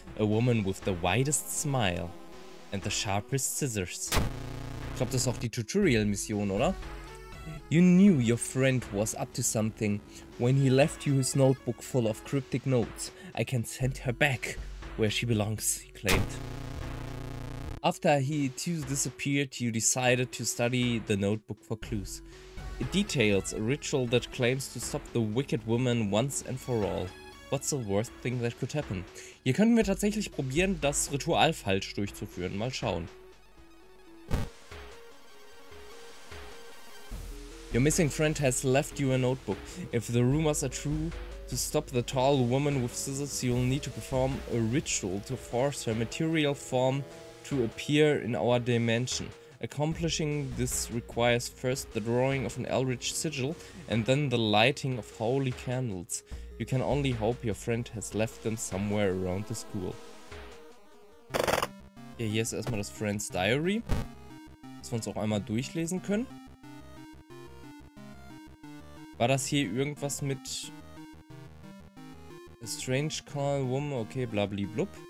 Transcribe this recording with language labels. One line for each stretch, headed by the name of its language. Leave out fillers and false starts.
English: A woman with the widest smile and the sharpest scissors.
German: Ich glaube, das ist auch die Tutorial-Mission, oder?
English: You knew your friend was up to something when he left you his notebook full of cryptic notes. I can send her back where she belongs, he claimed. After he too disappeared, you decided to study the notebook for clues. It details a ritual that claims to stop the wicked woman once and for all. What's the worst thing that could happen?
German: Hier können wir tatsächlich probieren, das Ritual falsch durchzuführen. Mal schauen.
English: Your missing friend has left you a notebook. If the rumors are true, to stop the tall woman with scissors, you'll need to perform a ritual to force her material form to appear in our dimension. Accomplishing this requires first the drawing of an eldritch sigil and then the lighting of holy candles. You can only hope your friend has left them somewhere around the school.
German: Ja, hier ist erstmal das Friends Diary, dass wir uns auch einmal durchlesen können. War das hier irgendwas mit
English: a strange call woman?
German: Okay, blabli blub.